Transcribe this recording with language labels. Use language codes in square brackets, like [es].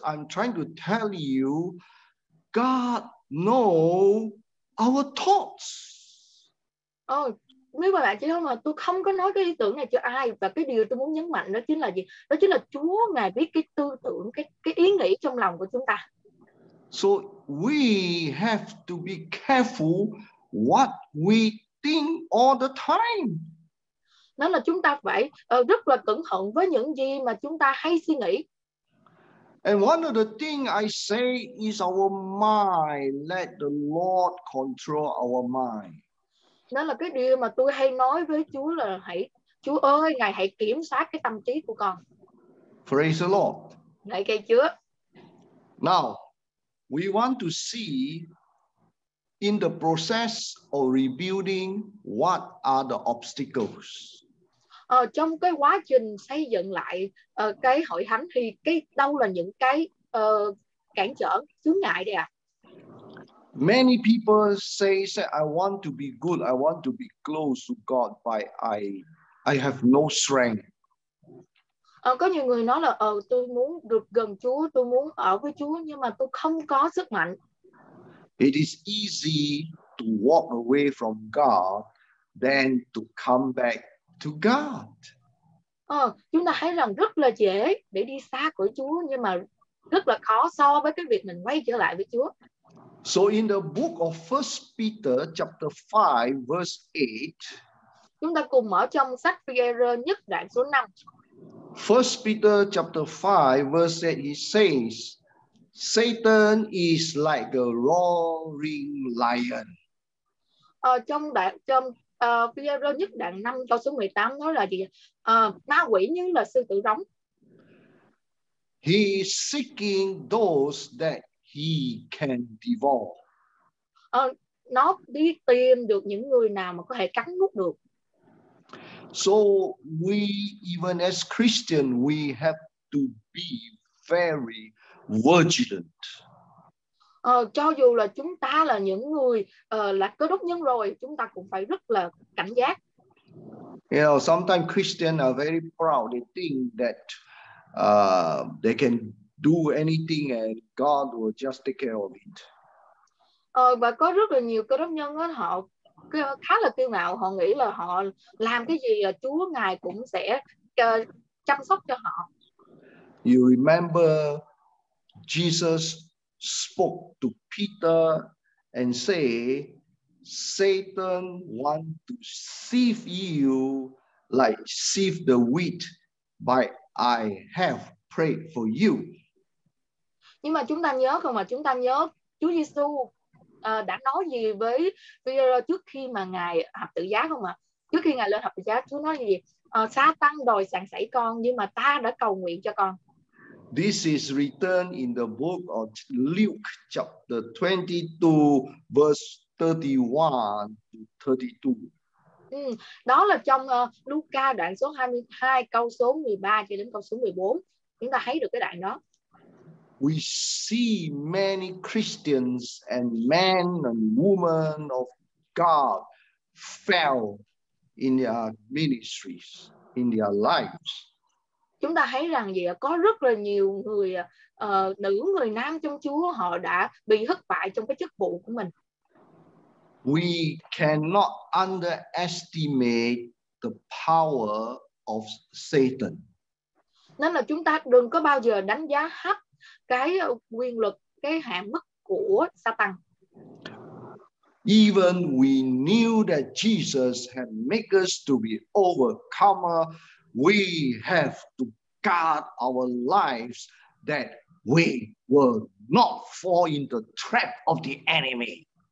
[en] I'm trying to tell you God knows our thoughts. [vi] Nếu mà bạn chỉ không, mà tôi không có nói cái ý tưởng này cho ai, và cái điều tôi muốn nhấn mạnh đó chính là gì? Đó chính là Chúa Ngài biết cái tư tưởng, cái ý nghĩ trong lòng của chúng ta. [en] So we have to be careful what we think all the time. [vi] Nên là chúng ta phải rất là cẩn thận với những gì mà chúng ta hay suy nghĩ. [en] And one of the things I say is our mind. Let the Lord control our mind. [vi] Đó là cái điều mà tôi hay nói với Chúa là hãy Chúa ơi, Ngài hãy kiểm soát cái tâm trí của con. [en] Praise the Lord. [vi] Ngài kêu Chúa. [en] Now, we want to see in the process of rebuilding what are the obstacles. [vi] Trong cái quá trình xây dựng lại cái hội thánh thì cái đâu là những cái cản trở, chướng ngại đây ạ? [en] Many people say I want to be good, I want to be close to God, but I have no strength. [vi] Có nhiều người nói là tôi muốn được gần Chúa, tôi muốn ở với Chúa, nhưng mà tôi không có sức mạnh. [en] It is easy to walk away from God than to come back to God. [vi] Chúng ta thấy rằng rất là dễ để đi xa khỏi Chúa, nhưng mà rất là khó so với cái việc mình quay trở lại với Chúa. [en] So in the book of 1 Peter chapter 5 verse 8. [vi] Chúng ta cùng mở trong sách Phi-e-rơ nhất đoạn số 5. [en] 1 Peter chapter 5 verse 8 he says Satan is like a roaring lion. [vi] Trong Phi-e-rơ nhất đoạn 5 câu số 18 nói là gì? Ma quỷ như là sư tử rống. [en] He is seeking those that he can devour. [vi] Nó đi tìm được những người nào mà có thể cắn nuốt được. [en] So we even as Christian we have to be very vigilant. [vi] Cho dù là chúng ta là những người là Cơ Đốc nhân rồi, chúng ta cũng phải rất là cảnh giác. [en] You know, sometimes Christians are very proud. They think that they can do anything and God will just take care of it. [vi] Và có rất là nhiều cơ đốc nhân đó, họ khá là kiêu ngạo, họ nghĩ là họ làm cái gì là Chúa Ngài cũng sẽ chăm sóc cho họ. [en] You remember Jesus spoke to Peter and say, Satan want to sieve you like sieve the wheat, but I have prayed for you. [vi] Nhưng mà chúng ta nhớ không mà chúng ta nhớ Chúa Giêsu đã nói gì với Peter trước khi mà Ngài thập tự giá không ạ? Trước khi Ngài lên thập tự giá, Chúa nói gì? Sa-tăng đòi sàn sảy con, nhưng mà ta đã cầu nguyện cho con. [en] This is written in the book of Luke chapter 22 verse 31 to 32. [vi] Đó là trong Luca đoạn số 22 câu số 13 cho đến câu số 14. Chúng ta thấy được cái đoạn đó. [en] We see many Christians and men and women of God fell in their ministries, in their lives. [vi] Chúng ta thấy rằng gì có rất là nhiều người nữ người nam trong Chúa họ đã bị thất bại trong cái chức vụ của mình. [en] We cannot underestimate the power of Satan. [vi] Nên là chúng ta đừng có bao giờ đánh giá thấp cái quyền lực, cái hạn mức của Satan. [en] Even we knew that Jesus had made us to be overcomer, we have to guard our lives that we will not fall in the trap of the enemy.